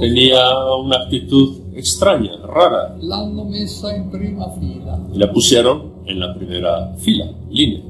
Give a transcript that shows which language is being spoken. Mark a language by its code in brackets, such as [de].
[es] tenía una actitud extraña, rara, [it] l'hanno messa in prima fila, [es] y la pusieron en la primera fila, línea.